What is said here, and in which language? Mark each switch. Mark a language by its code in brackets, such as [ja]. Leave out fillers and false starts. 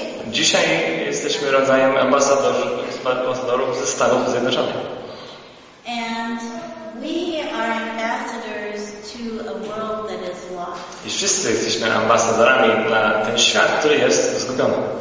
[pl] Dzisiaj jesteśmy rodzajem ambasadorów ze Stanów Zjednoczonych. [en] And we are ambassadors to a world that is lost. [pl] I wszyscy jesteśmy ambasadorami dla ten świat, który jest zgubiony.